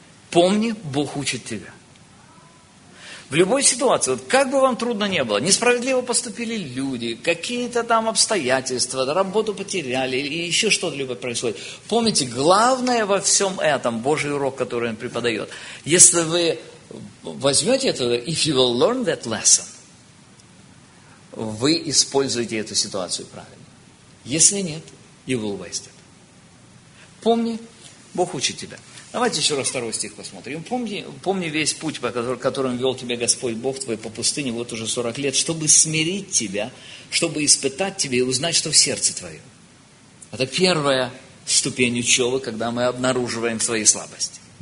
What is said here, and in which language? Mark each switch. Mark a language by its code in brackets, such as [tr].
[ru] Помни, Бог учит тебя. В любой ситуации, вот как бы вам трудно ни было, несправедливо поступили люди, какие-то там обстоятельства, работу потеряли, и еще что-либо происходит. Помните, главное во всем этом, Божий урок, который Он преподает, если вы возьмете это, if you will learn that lesson, вы используете эту ситуацию правильно. [en] Если нет, you will waste it. [ru] Помни, Бог учит тебя. Давайте еще раз второй стих посмотрим. Помни весь путь, по которому вел тебя Господь Бог твой по пустыне вот уже 40 лет, чтобы смирить тебя, чтобы испытать тебя и узнать, что в сердце твоем. Это первая ступень учебы, когда мы обнаруживаем свои слабости.